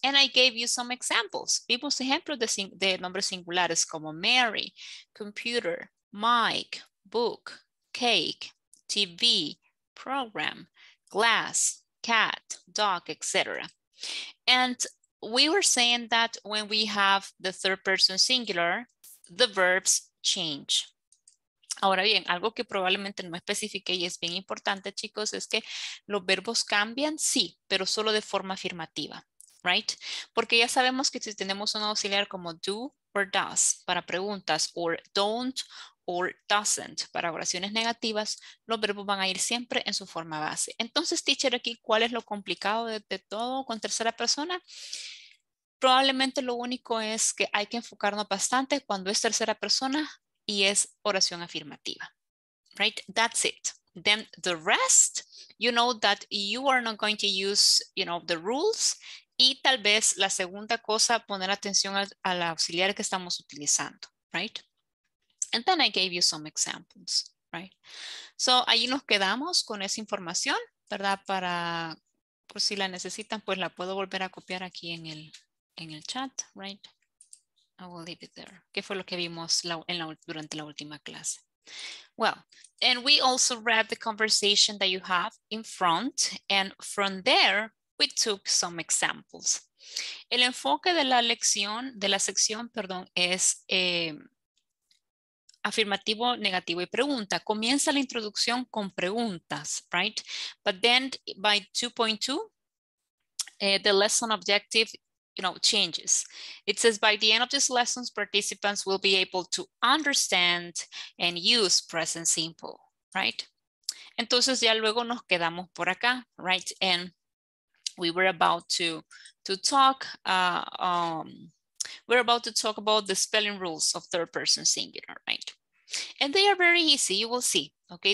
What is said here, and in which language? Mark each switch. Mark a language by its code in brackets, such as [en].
[en] And I gave you some examples. [es] Vimos ejemplos de nombres singulares como [en] Mary, computer, mic, book, cake, TV, program, glass, cat, dog, etc. And we were saying that when we have the third person singular, the verbs change. [es] Ahora bien, algo que probablemente no especifique y es bien importante, chicos, es que los verbos cambian, sí, pero solo de forma afirmativa, right? Porque ya sabemos que si tenemos un auxiliar como do or does para preguntas, or don't or doesn't para oraciones negativas, los verbos van a ir siempre en su forma base. Entonces, teacher, aquí, ¿cuál es lo complicado de todo con tercera persona? Probablemente lo único es que hay que enfocarnos bastante cuando es tercera persona, y es oración afirmativa, right? [en] That's it. Then the rest, you know that you are not going to use, you know, the rules. [es] Y tal vez la segunda cosa, poner atención al auxiliar que estamos utilizando, right? [en] And then I gave you some examples, right? [es] So ahí nos quedamos con esa información, ¿verdad? Para, pues si la necesitan, pues la puedo volver a copiar aquí en el chat, right? [en] I will leave it there. [es] ¿Qué fue lo que vimos durante la última clase? [en] Well, and we also read the conversation that you have in front. And from there, we took some examples. [es] El enfoque de la lección, de la sección, perdón, es afirmativo, negativo y pregunta. Comienza la introducción con preguntas, right? [en] But then by 2.2, the lesson objective, you know, changes. It says by the end of this lesson, participants will be able to understand and use present simple, right? [es] Entonces ya luego nos quedamos por acá, right? [en] And we were about to talk about the spelling rules of third person singular, right? And they are very easy, you will see, okay?